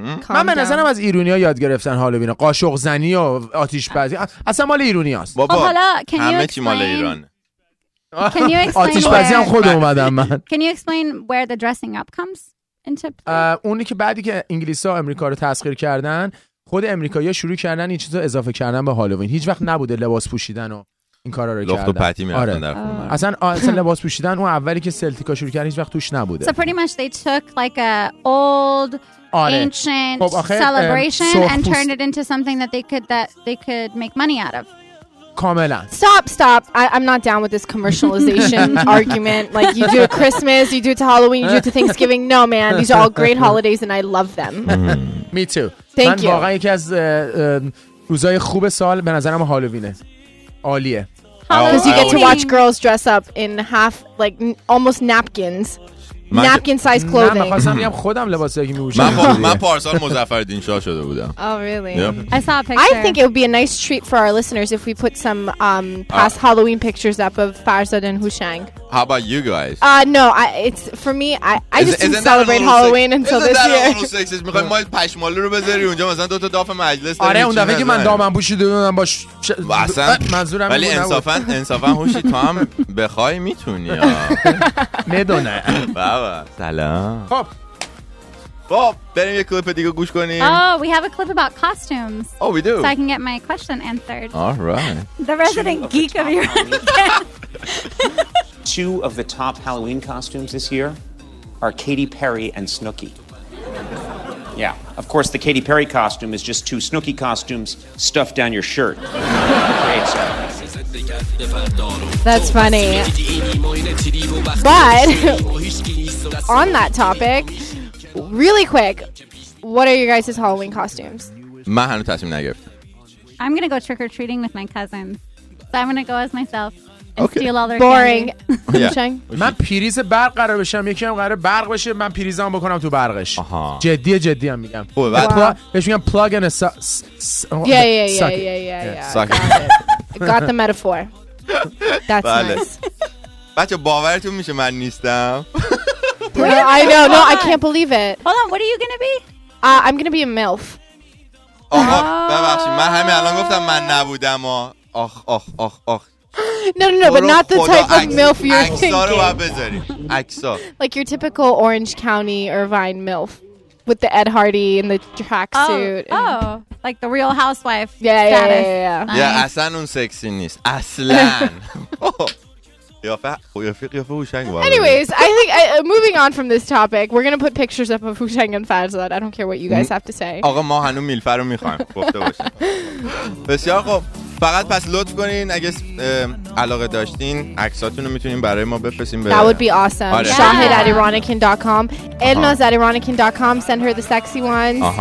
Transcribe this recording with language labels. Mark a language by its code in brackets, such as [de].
[fa] من به نظرم از ایرونی ها یاد گرفتن هالووین، قاشق زنی و آتش بازی. اصلا مال ایرونی هست بابا، همه چی مال ایران. [en] Can you explain [fa] آتیش بازی هم خود اومدم من. [en] Can you explain where the dressing up comes into play? [fa] اونی که بعدی که انگلیسا امریکا رو تسخیر کردن، خود امریکایی‌ها شروع کردن این چیزو اضافه کردن به هالووین. هیچ وقت نبوده لباس پوشیدن و این کارا رو لخت کردن. لخت و پتی میافتن، آره. در خون. اصلا لباس پوشیدن اون اولی که سلتیکا شروع کردن هیچ وقت توش نبوده. [en] So pretty much they took like a old, آره. ancient خب celebration and turned it into something that they could make money out of. [fa] کاملا. [en] Stop. I'm not down with this commercialization argument. Like you do it Christmas, you do it to Halloween, you do it to Thanksgiving. No man, these are all great holidays and I love them. Me too. Thank [fa] you. من واقعا یکی از روزهای خوب سال به نظرم هالووینه. عالیه. [en] Because you get to watch girls dress up in half, like almost napkins. Napkin size clothing. [fa] من خواستم بگم خودم لباسی که میپوشم. من پارسال مظفرالدین شاه شده بودم. [en] Oh really? Yeah. I saw a picture. I think it would be a nice treat for our listeners if we put some past Halloween pictures up of Farzad and Hushang. How about you guys? No, I just celebrate Halloween until this year. Isn't that a little sexist? [fa] ما پشمالو رو بذاری اونجا مثلا دو تا داف مجلس. آره اون دفعه که من دامن پوشیده بودم باش. اصلا منظورم ولی انصافا هوشی تو هم بخوای میتونی. میدونه. سلام. خب. خب بریم یه کلیپ دیگه گوش کنیم. [en] Oh, we have a clip about costumes. Oh, we do. So I can get my question answered. All right. The resident geek of your Two of the top Halloween costumes this year are Katy Perry and Snooki. Yeah, of course, the Katy Perry costume is just two Snooki costumes stuffed down your shirt. Great stuff. That's funny. But on that topic, really quick, what are your guys' Halloween costumes? I'm going to go trick-or-treating with my cousins. So I'm going to go as myself. Okay. Boring. [fa] من پریز برق قرار بشم، یکی هم قرار برق بشه، من پریزام بکنم تو برقش. آها. جدی جدی هم میگم. خب بعد تو بهش میگم پلاگ ان س [en] Got the metaphor. That's nice. [fa] بچه باورتون میشه من نیستم. [en] I know. No, I can't believe it. Hold on, what are you going to be? I'm going to be a MILF. [fa] آها. ببخشید من همین الان گفتم من نبودم. آخ آخ آخ آخ. [en] No, but not the type of MILF you're thinking. Like your typical Orange County Irvine MILF with the Ed Hardy and the tracksuit. Oh, like the Real Housewife status. [fa] Yeah. اصلا اون سکسی نیست. اصلاً. [en] Anyways, I think moving on from this topic, we're going to put pictures up of Hushang and Farzad. I don't care what you guys have to say. [fa] آقا ما هنوز میلفه رو میخوایم. بسیار خوب. فقط پس لطف کنین اگه علاقه داشتین عکساتونو میتونین برای ما بفرستین به [en] That would be awesome. آره. shahid@ironikin.com elnaz@ironikin.com send her the sexy ones.